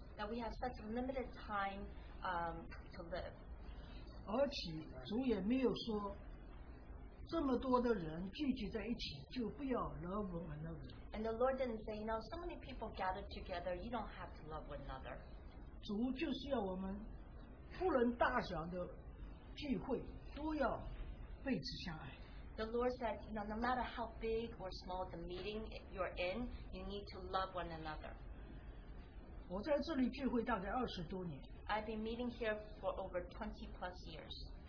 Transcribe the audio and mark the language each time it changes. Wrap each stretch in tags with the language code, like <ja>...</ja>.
<en>that we have such limited time to live.</en> <zh>而且主也没有说, 这么多的人聚集在一起就不要</zh> <en>love one another. And the Lord didn't say, you know, so many people gathered together, you don't have to love one another.</en> <zh>主就是要我们不论大小的</zh> <en>The Lord said, you know, no matter how big or small the meeting you're in, you need to love one another. I've been meeting here for over 20 plus years.</en>